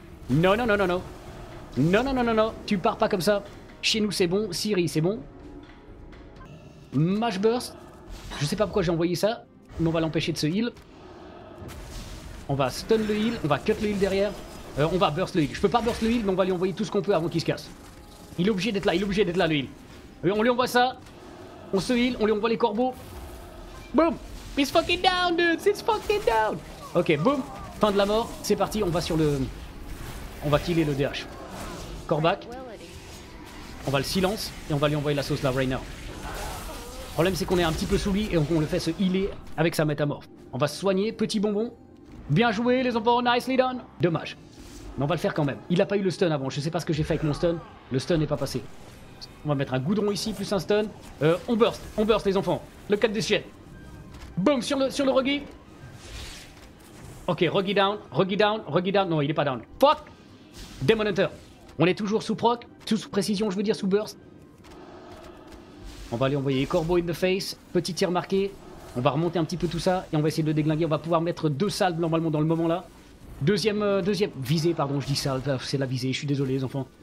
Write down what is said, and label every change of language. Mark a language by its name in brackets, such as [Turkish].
[French] Non, non, non, non, non. Non, non, non, non, non. Tu pars pas comme ça. Chez nous, c'est bon. Siri, c'est bon. Mash burst. Je sais pas pourquoi j'ai envoyé ça. Mais on va l'empêcher de se heal. On va stun le heal. On va cut le heal derrière. On va burst le heal. Je peux pas burst le heal, mais on va lui envoyer tout ce qu'on peut avant qu'il se casse. Il est obligé d'être là. Il est obligé d'être là, le heal. On lui envoie ça, on se heal, on lui envoie les corbeaux. [English] Boom, it's fucking down, dude, it's fucking down. [French] Ok, boom, fin de la mort, c'est parti, on va sur le... On va killer le DH. Corbac. On va le silence, et on va lui envoyer la sauce là, [English] right now. [French] Le problème, c'est qu'on est un petit peu sous lui, et on le fait se healer avec sa métamorphe. On va se soigner, petit bonbon. Bien joué, les enfants, [English] nicely done. [French] Dommage, mais on va le faire quand même. Il a pas eu le stun avant, je sais pas ce que j'ai fait avec mon stun. Le stun n'est pas passé. On va mettre un goudron ici, plus un stun. On burst les enfants. Le cut des chiens. Boom, sur le Ruggy. Ok, Ruggy down, Ruggy down, Ruggy down. Non, il est pas down. Fuck. Demon Hunter. On est toujours sous proc, tout sous précision, je veux dire, sous burst. On va aller envoyer Corbeau [English] in the face. [French] Petit tir marqué. On va remonter un petit peu tout ça et on va essayer de le déglinguer. On va pouvoir mettre deux salves normalement dans le moment là. Deuxième visée, pardon, je dis ça, c'est la visée, je suis désolé les enfants.